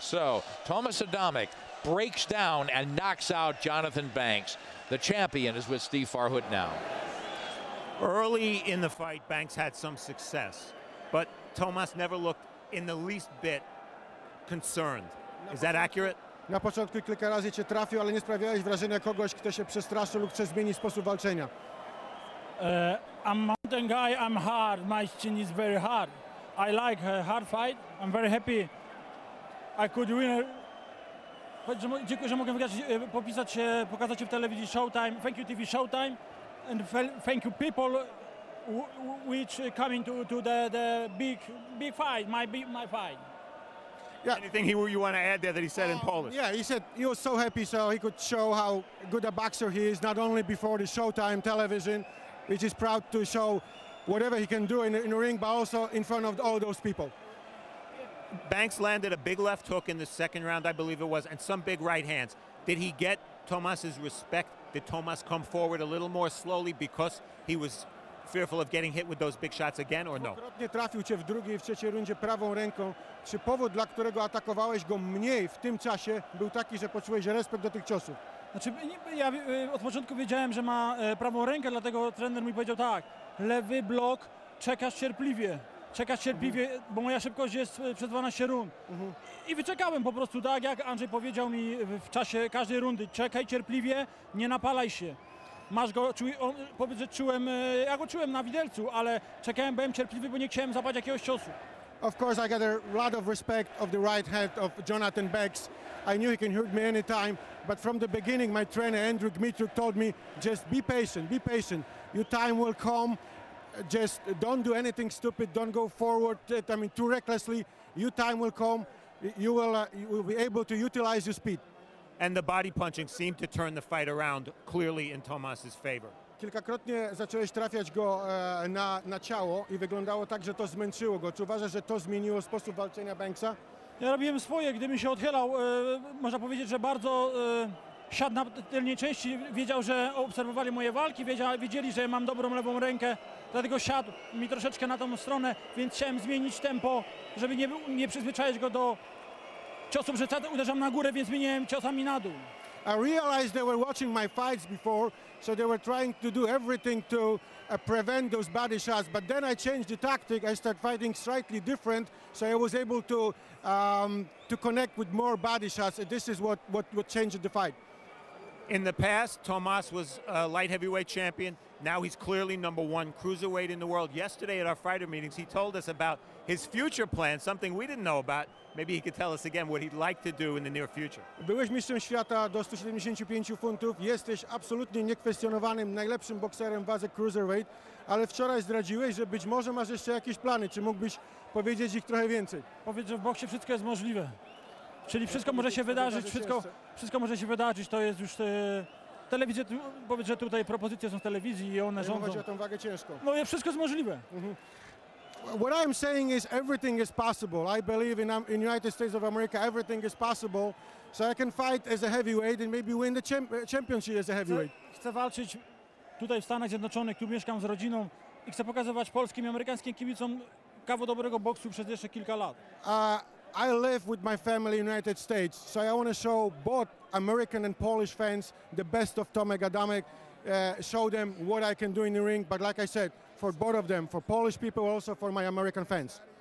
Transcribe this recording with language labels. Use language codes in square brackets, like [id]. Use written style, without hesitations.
[en] So Tomasz Adamek breaks down and knocks out Jonathon Banks. The champion is with Steve Farhood now. Early in the fight, Banks had some success, but Tomasz never looked in the least bit concerned. Is that accurate? [pl] Na początku kilka razy cię trafił, ale nie sprawiałeś wrażenia kogoś, kto się przestraszy lub chce zmienić sposób walczenia. [en] I'm mountain guy, I'm hard. My chin is very hard. I like a hard fight. I'm very happy. I could win. [pl] Dziękuję, że mogę popisać się, pokazać się w telewizji Showtime. [en] Thank you TV Showtime. And thank you people which coming to the big fight, my fight. Yeah. Anything you want to add there that he said in Polish? Yeah, he said he was so happy so he could show how good a boxer he is, not only before the Showtime television, which is proud to show whatever he can do in the ring, but also in front of all those people. Banks landed a big left hook in the second round, I believe it was, and some big right hands. Did he get Tomas's respect? Did Tomas come forward a little more slowly because he was fearful of getting hit with those big shots again, or no? [pl] Dwukrotnie trafił cię w drugiej i w trzeciej rundzie prawą ręką. Czy powód, dla którego atakowałeś go mniej w tym czasie, był taki, że poczułeś respekt do tych ciosów? Znaczy, ja od początku wiedziałem, że ma prawą rękę, dlatego trener mi powiedział tak, lewy blok, czekasz cierpliwie. Czekasz cierpliwie, bo moja szybkość jest przez 12 rund. I wyczekałem po prostu tak, jak Andrzej powiedział mi w czasie każdej rundy. Czekaj cierpliwie, nie napalaj się. Masz go, powiedz, że czułem, ja go czułem na widelcu, ale czekałem, byłem cierpliwy, bo nie chciałem zapać jakiegoś ciosu. [en] Of course, I got a lot of respect of the right hand of Jonathon Banks. I knew he can hurt me anytime, but from the beginning, my trainer Andrew Dmitriuk told me, just be patient, be patient. Your time will come. Just don't do anything stupid. Don't go forward. I mean, too recklessly. Your time will come. You will be able to utilize your speed. And the body punching seemed to turn the fight around clearly in Tomas's favor. [pl] Kilkakrotnie zacząłeś trafiać go na ciało i wyglądało tak, że to zmęczyło go. Czy uważasz, że to zmieniło sposób walczenia Banksa? Ja robiłem swoje. Gdy mi się odchylał, można powiedzieć, że bardzo siadł na tylnej części. Wiedział, że obserwowali moje walki, wiedzieli, że mam dobrą lewą rękę. Dlatego siadł mi troszeczkę na tą stronę, więc chciałem zmienić tempo, żeby nie przyzwyczaić go do ciosów, że uderzam na górę, więc zmieniłem ciosami na dół. [en] I realized they were watching my fights before, so they were trying to do everything to prevent those body shots. But then I changed the tactic. I started fighting slightly different, so I was able to connect with more body shots. And this is what changed the fight. In the past, Tomas was a light heavyweight champion. Now he's clearly number one cruiserweight in the world. Yesterday at our fighter meetings, he told us about his future plan, something we didn't know about. Maybe he could tell us again what he'd like to do in the near future. [pl] Byłeś mistrzem świata do 175 funtów. Jesteś absolutnie niekwestionowanym najlepszym bokserem w wadze cruiserweight, ale wczoraj zdradziłeś, że być może masz jeszcze jakieś plany. Czy mógłbyś powiedzieć ich trochę więcej? Powiedz, że w boksie wszystko jest możliwe. Czyli wszystko może się wydarzyć, wszystko może się wydarzyć. To jest już telewizja, powiedz, że tutaj propozycje są z telewizji i one rządzą. Mówię o tą wagę ciężką. No i wszystko jest możliwe. [en] What I'm saying is everything is possible. I believe in United States of America everything is possible. So I can fight as a heavyweight and maybe win the championship as a heavyweight. [pl] Chcę walczyć tutaj w Stanach Zjednoczonych, tu mieszkam z rodziną i chcę pokazywać polskim i amerykańskim kibicom kawał dobrego boksu przez jeszcze kilka lat. [en] I live with my family in the United States, so I want to show both American and Polish fans the best of Tomek Adamek, show them what I can do in the ring, but like I said, for both of them, for Polish people, also for my American fans.